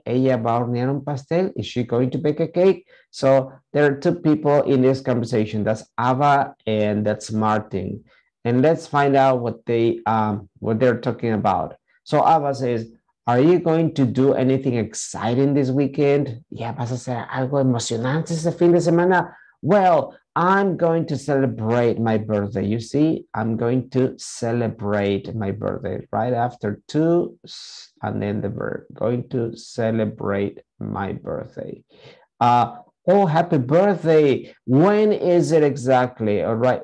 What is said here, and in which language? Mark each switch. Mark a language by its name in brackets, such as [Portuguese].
[Spanish] Ella va a hornear un pastel. [English] Is she going to bake a cake? So there are two people in this conversation. That's Ava and that's Martin. And let's find out what they're talking about. So Ava says, are you going to do anything exciting this weekend? [Spanish] Yeah, vas a hacer algo emocionante este fin de semana. [English] Well, I'm going to celebrate my birthday. You see, I'm going to celebrate my birthday right after two and then the verb, going to celebrate my birthday. Oh, happy birthday. When is it exactly? All right.